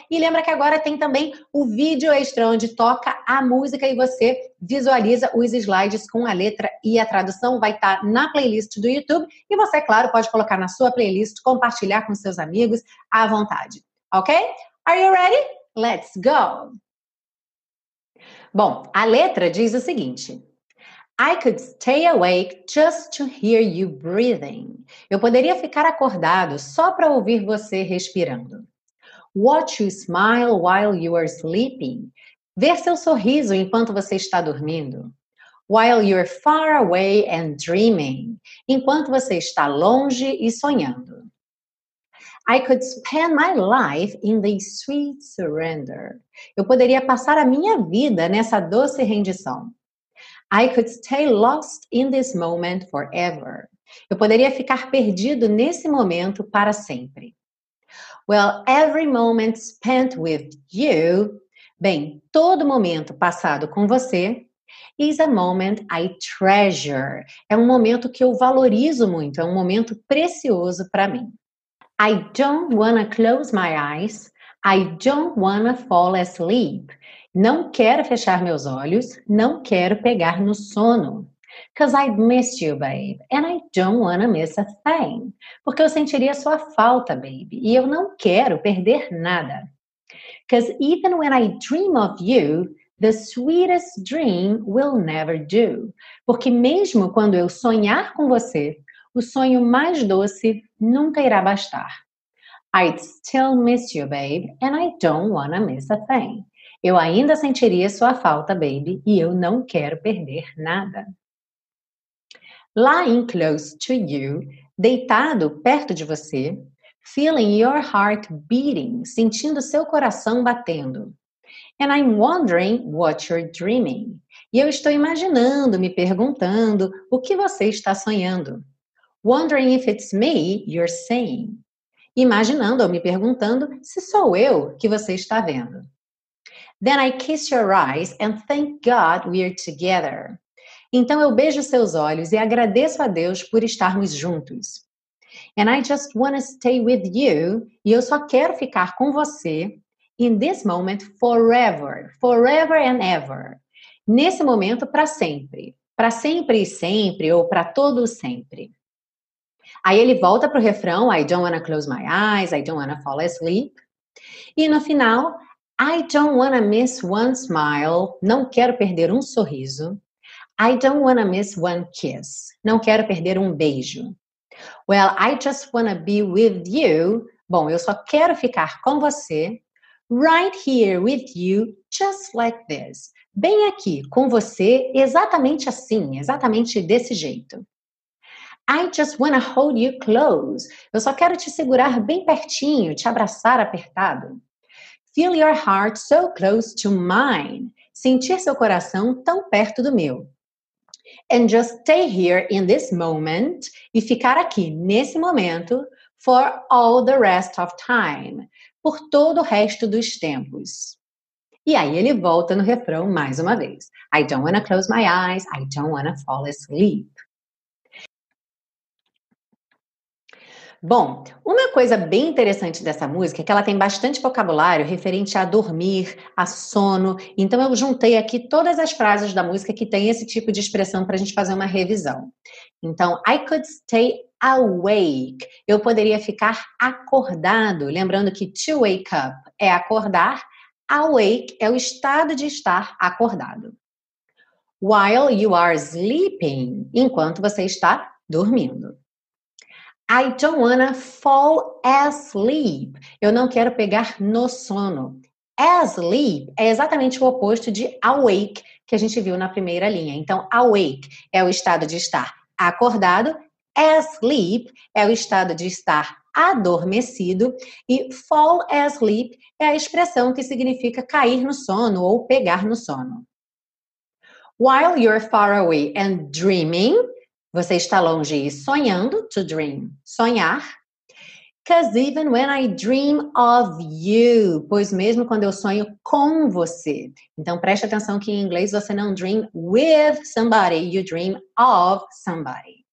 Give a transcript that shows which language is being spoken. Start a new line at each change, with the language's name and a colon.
Portuguese: E lembra que agora tem também o vídeo extra onde toca a música e você visualiza os slides com a letra e a tradução. Vai estar na playlist do YouTube e você, claro, pode colocar na sua playlist, compartilhar com seus amigos à vontade. Ok?
English: Are you ready? Let's go!
Portuguese: Bom, a letra diz o seguinte.
English: I could stay awake just to hear you breathing.
Portuguese: Eu poderia ficar acordado só para ouvir você respirando.
English: Watch you smile while you are sleeping.
Portuguese: Ver seu sorriso enquanto você está dormindo.
English: While you're far away and dreaming.
Portuguese: Enquanto você está longe e sonhando.
English: I could spend my life in the sweet surrender.
Portuguese: Eu poderia passar a minha vida nessa doce rendição.
English: I could stay lost in this moment forever.
Portuguese: Eu poderia ficar perdido nesse momento para sempre.
English: Well, every moment spent with you,
Portuguese: bem, todo momento passado com você,
English: is a moment I treasure.
Portuguese: É um momento que eu valorizo muito, é um momento precioso para mim.
English: I don't wanna close my eyes. I don't wanna fall asleep.
Portuguese: Não quero fechar meus olhos, não quero pegar no sono.
English: Cause I'd miss you, babe, and I don't wanna miss a thing.
Portuguese: Porque eu sentiria sua falta, baby, e eu não quero perder nada.
English: Cause even when I dream of you, the sweetest dream will never do.
Portuguese: Porque mesmo quando eu sonhar com você, o sonho mais doce nunca irá bastar.
English: I'd still miss you, babe, and I don't wanna miss a thing.
Portuguese: Eu ainda sentiria sua falta, baby, e eu não quero perder nada.
English: Lying close to you,
Portuguese: deitado perto de você,
English: feeling your heart beating,
Portuguese: sentindo seu coração batendo.
English: And I'm wondering what you're dreaming.
Portuguese: E eu estou imaginando, me perguntando, o que você está sonhando.
English: Wondering if it's me you're seeing.
Portuguese: Imaginando ou me perguntando se sou eu que você está vendo.
English: Then I kiss your eyes and thank God we're together.
Portuguese: Então eu beijo seus olhos e agradeço a Deus por estarmos juntos.
English: And I just wanna stay with you.
Portuguese: E eu só quero ficar com você
English: in this moment forever, forever and ever.
Portuguese: Nesse momento para sempre e sempre ou para todo sempre. Aí ele volta pro refrão,
English: I don't wanna close my eyes, I don't wanna fall asleep.
Portuguese: E no final,
English: I don't wanna miss one smile.
Portuguese: Não quero perder um sorriso.
English: I don't want to miss one kiss.
Portuguese: Não quero perder um beijo.
English: Well, I just want to be with you.
Portuguese: Bom, eu só quero ficar com você.
English: Right here with you, just like this.
Portuguese: Bem aqui, com você, exatamente assim, exatamente desse jeito.
English: I just want to hold you close.
Portuguese: Eu só quero te segurar bem pertinho, te abraçar apertado.
English: Feel your heart so close to mine.
Portuguese: Sentir seu coração tão perto do meu.
English: And just stay here in this moment.
Portuguese: E ficar aqui, nesse momento,
English: for all the rest of time.
Portuguese: Por todo o resto dos tempos. E aí ele volta no refrão mais uma vez.
English: I don't want to close my eyes. I don't want to fall asleep.
Portuguese: Bom, uma coisa bem interessante dessa música é que ela tem bastante vocabulário referente a dormir, a sono. Então, eu juntei aqui todas as frases da música que tem esse tipo de expressão para a gente fazer uma revisão. Então, I could stay awake. Eu poderia ficar acordado. Lembrando que to wake up é acordar. Awake é o estado de estar acordado.
English: While you are sleeping.
Portuguese: Enquanto você está dormindo.
English: I don't wanna fall asleep.
Portuguese: Eu não quero pegar no sono. Asleep é exatamente o oposto de awake, que a gente viu na primeira linha. Então, awake é o estado de estar acordado. Asleep é o estado de estar adormecido. E fall asleep é a expressão que significa cair no sono ou pegar no sono.
English: While you're far away and dreaming.
Portuguese: Você está longe e sonhando, to dream, sonhar.
English: Because even when I dream of you,
Portuguese: pois mesmo quando eu sonho com você. Então, preste atenção que em inglês você não
English: dream with somebody, you dream of somebody.